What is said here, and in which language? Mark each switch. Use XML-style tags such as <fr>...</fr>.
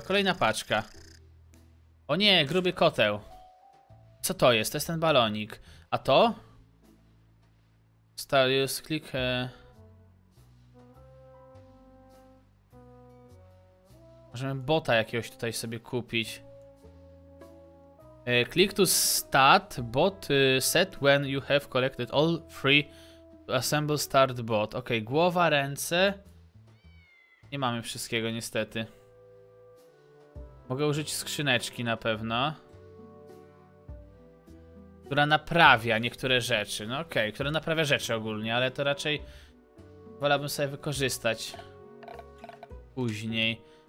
<pl>Kolejna paczka. O nie, gruby koteł. Co to jest? To jest ten balonik. A to? Stalius, klik. Możemy bota jakiegoś tutaj sobie kupić.</pl> <en>Click to start bot set when you have collected all three to assemble start bot.</en> <pl>Ok, głowa, ręce. Nie mamy wszystkiego niestety. Mogę użyć skrzyneczki na pewno. Która naprawia niektóre rzeczy. No ok, która naprawia rzeczy ogólnie, ale to raczej wolałbym sobie wykorzystać później.</pl>